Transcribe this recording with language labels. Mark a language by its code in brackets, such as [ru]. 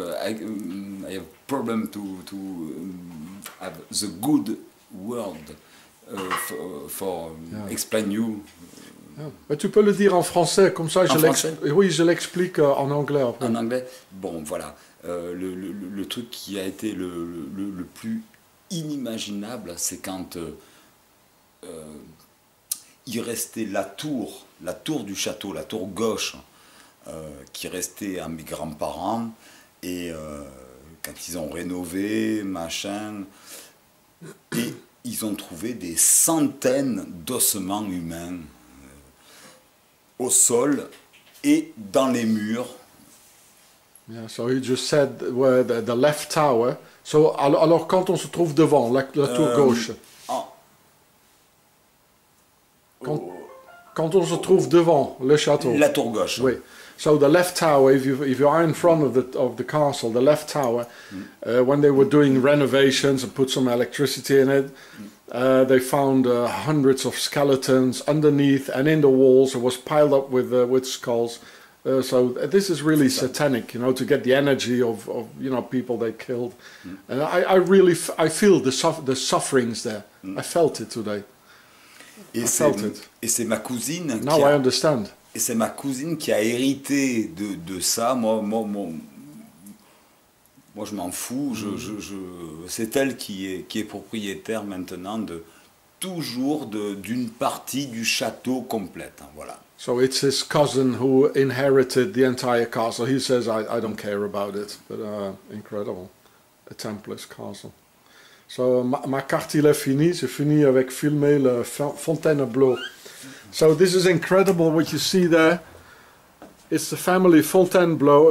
[en] I have problem to have the good word for explain you. Yeah. [fr] Mais tu peux le dire en français, comme ça en je l'explique. Oui, je l'explique en anglais. Après. En anglais. Bon, voilà. Le truc qui a été le plus inimaginable, c'est quand il restait la tour du château, la tour gauche, qui restait à mes grands-parents, et quand ils ont rénové, machin, et ils ont trouvé des centaines d'ossements humains au sol et dans les murs. [en] Yeah, so he just said where the left tower. [fr] So alors quand on se trouve devant la tour gauche. Quand on se trouve devant le château. La tour gauche. Oui. [en] So the left tower, if you are in front of the castle, the left tower, when they were doing renovations and put some electricity in it, they found hundreds of skeletons underneath and in the walls. It was piled up with skulls. So this is really satanic, you know, to get the energy of you know, people they killed. And I feel the sufferings there. Mm. I felt it today. [fr] Et [en] I felt it. [fr] Et c'est ma cousine [en] now I understand. [fr] Et c'est ma cousine qui a hérité de ça. Moi je m'en fous. Je c'est elle qui est propriétaire maintenant de toujours d'une partie du château complète. Hein, voilà. [en] So it's his cousin who inherited the entire castle. He says I don't care about it, but incredible, a Templar's castle. [fr] So ma carte il est fini. C'est fini avec filmer le Fontainebleau. [en] So this is incredible what you see there. It's the family Fontainebleau.